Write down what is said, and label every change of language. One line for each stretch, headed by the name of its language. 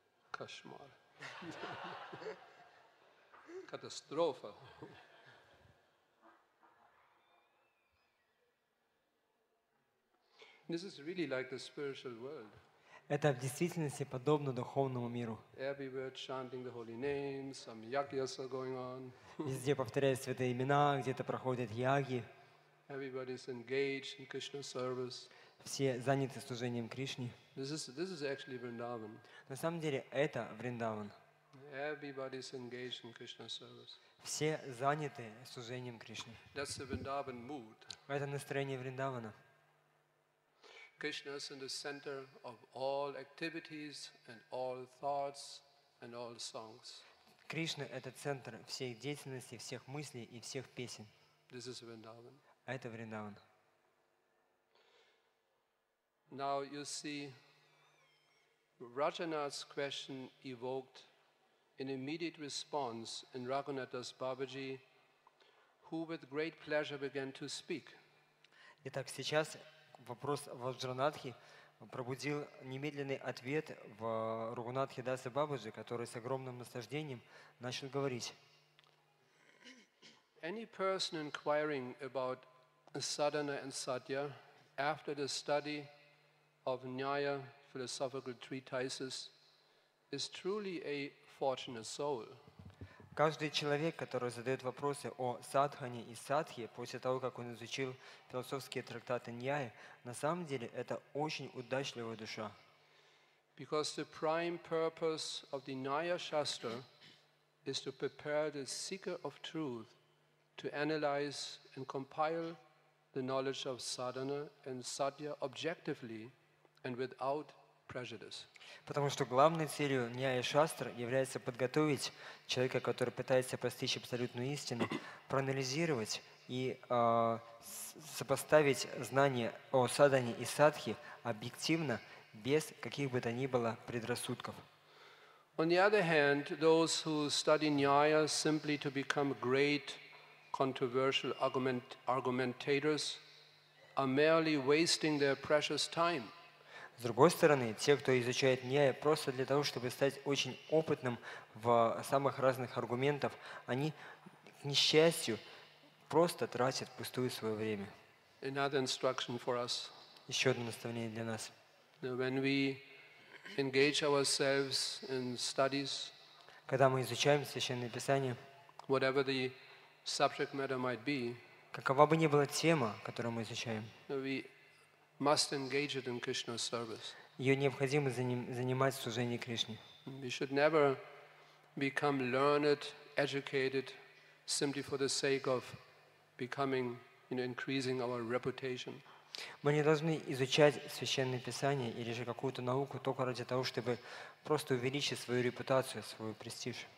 Russian: Кошмар. Катастрофа.
English: This is really like the spiritual world.
Russian: Это в действительности подобно духовному миру.
English: Everywhere chanting the holy names, some yagyas are going on.
Russian: Везде повторяют святые имена, где-то проходят яги.
English: Everybody is engaged in Krishna service.
Russian: Все заняты служением Кришне.
English: This is actually Vrindavan.
Russian: На самом деле это Вриндаван.
English: Everybody is engaged in Krishna service.
Russian: Все заняты служением Кришне.
English: That's the Vrindavan mood.
Russian: Это настроение Вриндавана.
English: Krishna is in the center of all activities and all thoughts and all songs.
Russian: Кришна это центр всей деятельности, всех мыслей и всех песен.
English: This is Vrindavan.
Russian: Это Вриндаван.
English: Now you see, Rajanath's question evoked an immediate response in Raghunatha's Babaji, who with great pleasure began to speak.
Russian: Итак, сейчас вопрос Раджанатхи пробудил немедленный ответ в Рагунатхе Даса Бабаджи, который с огромным наслаждением начал говорить.
English: Any person inquiring about sadhana and satya after the study of Nyaya philosophical treatises is truly a fortunate soul.
Russian: Каждый человек, который задает вопросы о садхане и садхе после того, как он изучил философские трактаты Ньяи, на самом деле это очень удачливая душа.
English: Because the prime purpose of the Nyaya Shastra is to prepare the seeker of truth to analyze and compile the knowledge of sadhana and satya objectively and without prejudice.
Russian: Потому что главной целью Ньяя Шастра является подготовить человека, который пытается постичь абсолютную истину, проанализировать и сопоставить знания о садхане и садхе объективно, без каких бы то ни было предрассудков.
English: On the other hand, those who study Nyaya simply to become great controversial argumentators are merely wasting their precious time.
Russian: С другой стороны, те, кто изучает Ньяя просто для того, чтобы стать очень опытным в самых разных аргументах, они, к несчастью, просто тратят пустую свое время.
English: Another instruction for us.
Russian: Еще одно наставление для нас.
English: When we engage ourselves in studies,
Russian: когда мы изучаем Священное Писание,
English: whatever the subject matter might be,
Russian: какова бы ни была тема, которую мы изучаем,
English: must engage it in Krishna's service.
Russian: Ее необходимо занимать в служении Кришне.
English: We should never become learned, educated, simply for the sake of becoming, you know, increasing our reputation.
Russian: Мы не должны изучать Священное Писание или же какую-то науку только ради того, чтобы просто увеличить свою репутацию, свой престиж.